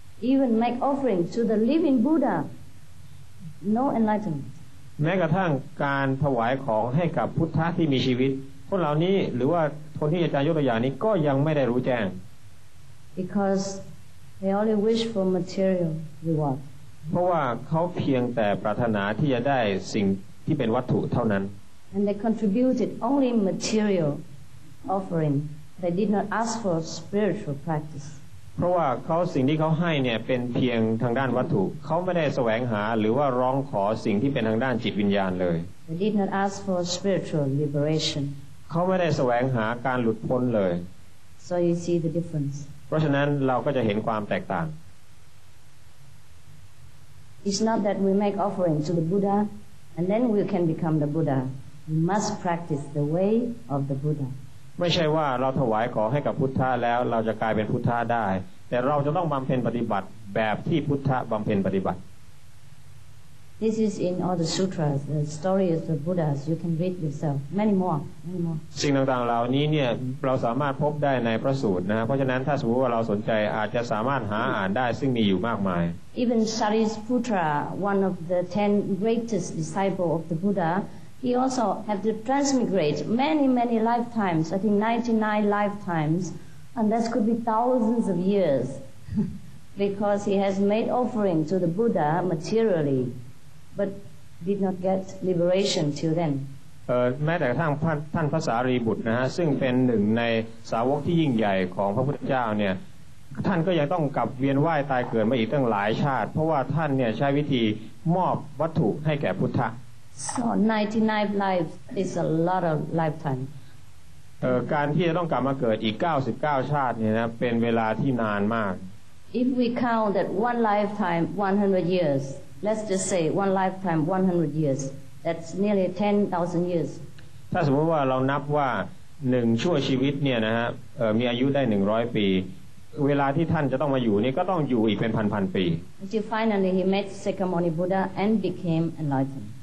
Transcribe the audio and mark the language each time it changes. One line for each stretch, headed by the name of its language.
English: Even make offering to the living BuddhaNo enlightenment.
Thai: แม้กระทั่งการถวายของให้กับพุทธะที่มีชีวิตคนเหล่านี้หรือว่าคนที่อาจารย์ยกตัวอย่างนี้ก็ยังไม่ได้รู้แจ้ง
English: Because they only wish for material reward.
Thai: เพราะว่าเขาเพียงแต่ปรารถนาที่จะได้สิ่งที่เป็นวัตถุเท่านั้น
English: And they contributed only material offering. They did not ask for spiritual practice.
Thai: เพราะว่าเขาสิ่งที่เขาให้เนี่ยเป็นเพียงทางด้านวัตถุเขาไม่ได้แสวงหาหรือว่าร้องขอสิ่งที่เป็นทางด้านจิตวิญญาณเลย
English: They did not ask for spiritual liberation
Thai: เขาไม่ได้แสวงหาการหลุดพ้นเลย
English: So you see the difference
Thai: เพราะฉะนั้นเราก็จะเห็นความแตกต่าง
English: It's not that we make offering to the Buddha and then we can become the Buddha We must practice the way of the Buddha
Thai: ไม่ใช่ว่าเราถวายขอให้กับพุทธะแล้วเราจะกลายเป็นพุทธะได้แต่เราจะต้องบำเพ็ญปฏิบัติแบบที่พุทธะบำเพ็ญปฏิบัติ
English: This is in all the sutras the stories of Buddhas you can read yourself many more
Thai: สิ่งต่างๆเหล่านี้เนี่ยเราสามารถพบได้ในพระสูตรนะเพราะฉะนั้นถ้าสมมติว่าเราสนใจอาจจะสามารถหาอ่านได้ซึ่งมีอยู่มากมาย
English: Even Sarisputra one of the 10 greatest disciple of the Buddha He also have to transmigrate many, many lifetimes, I think 99 lifetimes, and that could be thousands of years, because he has made offering to the Buddha materially, but did not get liberation till then.
Thai: แม้แต่ทางท่านพระสารีบุตรนะฮะซึ่งเป็นหนึ่งในสาวกที่ยิ่งใหญ่ของพระพุทธเจ้าเนี่ยท่านก็ยังต้องกลับเวียนว่ายตายเกิดมาอีกตั้งหลายชาติเพราะว่าท่านเนี่ยใช้วิธีมอบวัตถุให้แก่พุทธะ
English: so 99 lives is a lot of lifetime
Thai: การที่จะต้องกลับมาเกิดอีก99ชาติเนี่ยนะเป็นเวลาที่นานมาก
English: if we count that one lifetime 100 years let's just say one lifetime 100 yearsThat's nearly 10,000 years.
Thai: ถ้าสมมติว่าเรานับว่า1ชั่วชีวิตเนี่ยนะฮะมีอายุได้100ปีเวลาที่ท่านจะต้องมาอยู่นี่ก็ต้องอยู่อีกเป็นพันๆปี
English: Until finally he met Sakyamuni Buddha and became enlightened.